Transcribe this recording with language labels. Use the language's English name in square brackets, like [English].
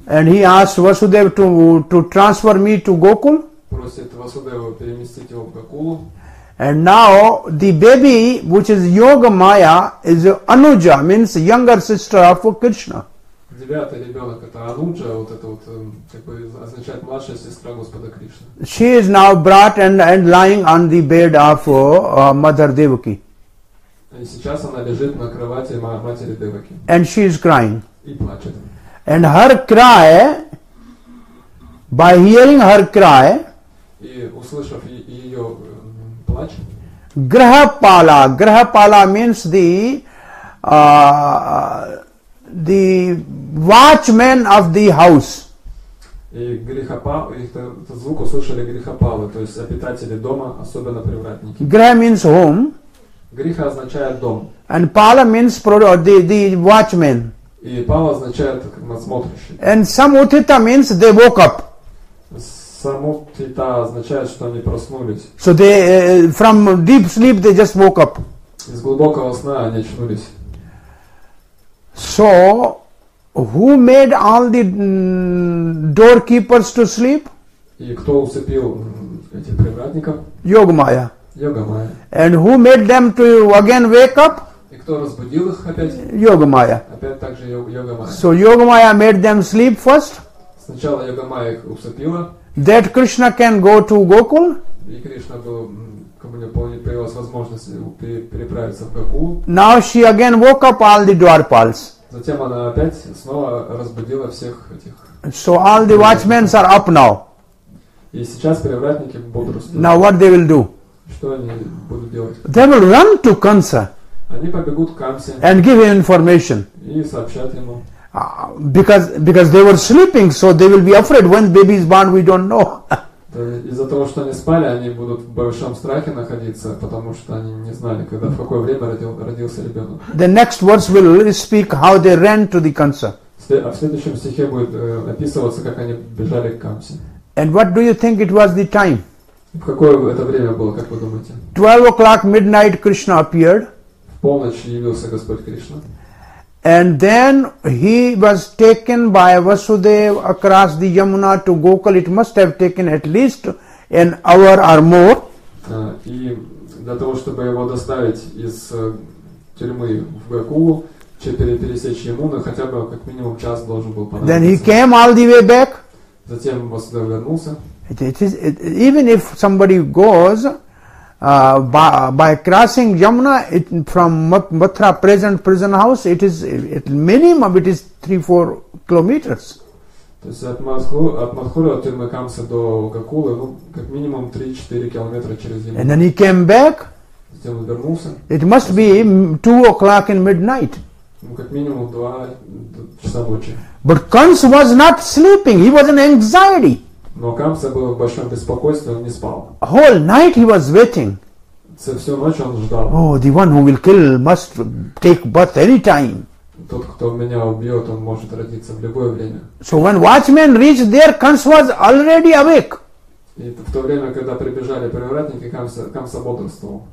[English] And he asked Vasudev to transfer me to Gokul. [Russian] Просит Васудева переместить его в Гокулу. [English] And now, the baby, which is Yoga Maya, is Anuja, means younger sister of Krishna. [Russian] Девятый ребенок, это Ануджа, вот это вот, как бы, означает младшая сестра Господа Кришны. [English] She is now brought and lying on the bed of Mother Devaki. [Russian] И сейчас она лежит на кровати матери Деваки. [English] And she is crying. [Russian] И плачет. [English] And her cry, by hearing her cry, [Russian] и услышав ее плач, [English] Грахапала means the watchman of the house. [Russian] И грехопалы, звук услышали грехопалы, то есть обитатели дома, особенно привратники. [English] Греха means home. [Russian] Греха означает дом. [English] And пала means the watchman. [Russian] И пала означает надсмотрщик. [English] And самутита means they woke up. [Russian] Самутита означает, что они проснулись. [English] So they from deep sleep they just woke up. [Russian] Из глубокого сна они очнулись. [English] So, who made all the doorkeepers to sleep? [Russian] И кто усыпил этих привратников? Йога-майя. Йога-майя. [English] And who made them to again wake up? [Russian] И кто разбудил их опять? Йога-майя. Опять также Йога-майя. [English] So, Йога-майя made them sleep first. [Russian] Сначала Йога-майя их усыпила. [English] That Krishna can go to Gokul. [Russian] И Кришна был, кому не помнит, привез возможность переправиться в Гокул. [English] Now she again woke up all the dwarpals. [Russian] Затем она опять снова разбудила всех этих. [English] So all the watchmen are up now. [Russian] И сейчас привратники бодрствуют. [English] Now what they will do? [Russian] Что они будут делать? [English] They will run to Kamsa. [Russian] Они побегут к Камсе. [English] And give information. [Russian] И сообщат ему. [English] Because they were sleeping, so they will be afraid. When baby is born, we don't know. [Russian] Из-за того, что они спали, они будут в большом страхе находиться, потому что они не знали, когда, в какое время родился ребенок. [English] The next verse will speak how they ran to the Kamsa. [Russian] А в следующем стихе будет описываться, как они бежали к Камсе. [English] And what do you think it was the time? [Russian] В какое это время было, как вы думаете? [English] 12 o'clock midnight Krishna appeared. [Russian] В полночь явился Господь Кришна. [English] And then he was taken by Vasudev across the Yamuna to Gokul. It must have taken at least an hour or more. [Russian] И для того, чтобы его доставить из тюрьмы в Гокулу, через пересечь Ямуну, хотя бы как минимум час должен был понадобиться. [English] Then he came all the way back. [Russian] Затем Vasudev вернулся. [English] Even if somebody goes by crossing Yamuna from Mathura present prison house, it minimum it is 3-4 kilometers. [Russian] То есть от Мадхуры, от тюрьмы Камса до Гокулы, ну, как минимум 3-4 километра через Yamuna. [English] And then he came back. [Russian] Затем он вернулся. [English] It must be 2 o'clock in midnight. [Russian] Ну, как минимум 2 часа ночи. [English] But Kamsa was not sleeping, he was in anxiety. [Russian] Но Камса был в большом беспокойстве, он не спал. [English] Whole night he was waiting. [Russian] Всю ночь он ждал. [English] Oh, the one who will kill must take birth any time. [Russian] Тот, кто меня убьет, он может родиться в любое время. [English] So when watchman reached there, Kamsa was already awake. [Russian] И в то время, когда прибежали привратники, Камса бодрствовал.